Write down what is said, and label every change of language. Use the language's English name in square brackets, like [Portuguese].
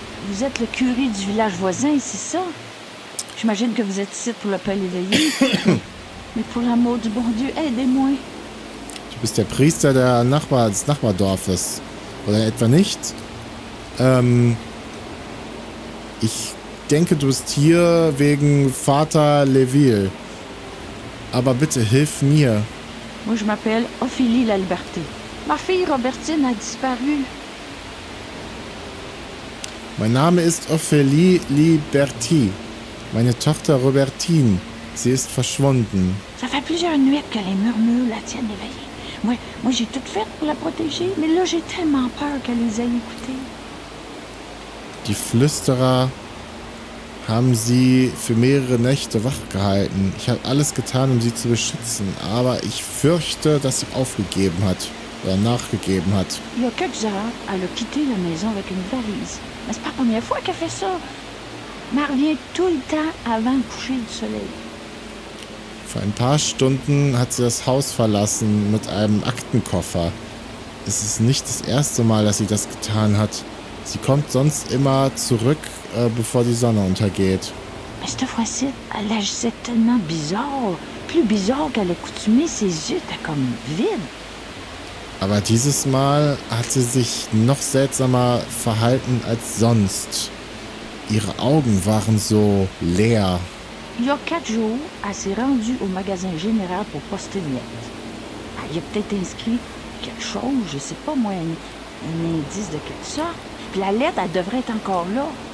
[French] Vous êtes le curé du village voisin, c'est ça? J'imagine que vous êtes ici pour l'appel éveillé. Mais pour l'amour du bon Dieu, aidez-moi. [German] Du bist der Priester des Nachbardorfes. Oder etwa nicht? Ich denke, du bist hier wegen Vater Leville. Aber bitte hilf mir. [French] Moi, je m'appelle Ophélie La Liberté. Ma fille Robertine a disparu. [German] Mein Name ist Ophélie Liberté. Meine Tochter Robertine, sie ist verschwunden. [French] Ça fait plusieurs nuits que les murmures la tiennent éveillée. Moi, j'ai tout fait pour la protéger, mais là, j'ai tellement peur qu'elle les aille écouter. [German] Die Flüsterer haben sie für mehrere Nächte wachgehalten. Ich habe alles getan, um sie zu beschützen, aber ich fürchte, dass sie aufgegeben hat oder nachgegeben hat. [French] Il y a quelques heures, elle a quitté la maison avec une valise. Mais c'est pas la première fois qu'elle fait ça. Mais revient tout le temps avant le coucher du soleil. [German] Vor ein paar Stunden hat sie das Haus verlassen mit einem Aktenkoffer. Es ist nicht das erste Mal, dass sie das getan hat. Sie kommt sonst immer zurück, bevor die Sonne untergeht. [French] Mais cette fois-ci, elle agissait tellement bizarre. Plus bizarre qu'à l'accoutumée, ses yeux étaient comme vides. [German] Aber dieses Mal hat sie sich noch seltsamer verhalten als sonst. Ihre Augen waren so leer. [French] Il y a 4 jours, elle s'est rendue au magasin général pour poster une lettre. Elle y a peut-être inscrit quelque chose, je sais pas moi, un indice de quelque sorte. Puis la lettre, elle devrait être encore là.